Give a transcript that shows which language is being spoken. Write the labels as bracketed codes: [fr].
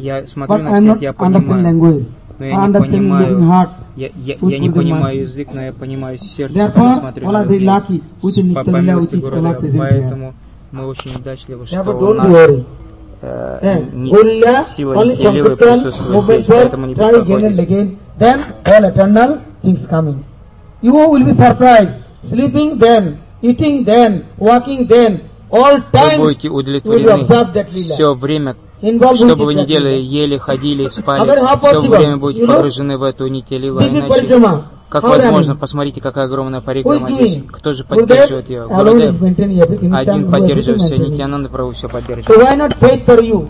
[ru] Я смотрю на всех, я понимаю. Но я не понимаю, я не понимаю язык, но я понимаю сердце, когда я смотрю на людей. По милости Гурудева, поэтому мы очень удачливы, что у нас сила нитья-лилы присутствует здесь, поэтому не беспокойтесь. [en] Then all eternal things coming. You will be surprised. Sleeping then, eating then, walking then, all time. [ru] Вы будете удовлетворены все время, что бы вы ни делали, ели, ходили, спали, все время будете погружены в эту нитья-лилу. Иначе, как возможно, посмотрите, какая огромная парикрама здесь. Кто же поддерживает ее? Гурудев. Один поддерживает все, Нитьянанда Прабху все поддерживает.